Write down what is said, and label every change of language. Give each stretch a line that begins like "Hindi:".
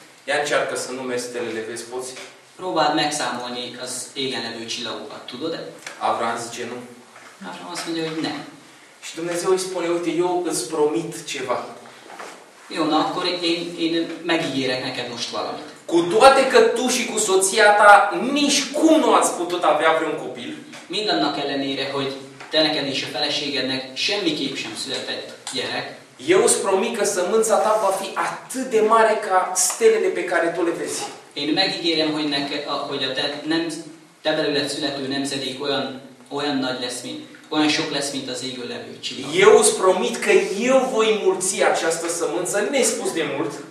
Romanian: Ia încearcă să numezi stelele, vezi poți?
Hungarian: Próbáld megszámolni az égen levő csillagokat, tudod-e?
Romanian: Avram zice, nu.
Hungarian: Avram azt mondja, hogy ne.
Romanian: Și Dumnezeu îi spune, uite, eu îți promit ceva.
Hungarian: Jó, na, akkor én megígérek neked most valamit.
Romanian: Cu toate că tu și cu soția ta nici cum nu ați putut avea vreun copil.
Hungarian: Mindannak ellenére, hogy te neked és a feleségednek semmiképp sem született gyerek.
Romanian: Eu îți promit că sămânța ta va fi atât de mare ca stelele pe care tu le vezi.
Hungarian: Én megígérem, hogy neked, hogy a te belőle születő nemzedék olyan nagy lesz, mint olyan sok lesz, mint az égő levő csillag.
Romanian: Eu îți promit că eu voi mulți această sămânță nespus de mult.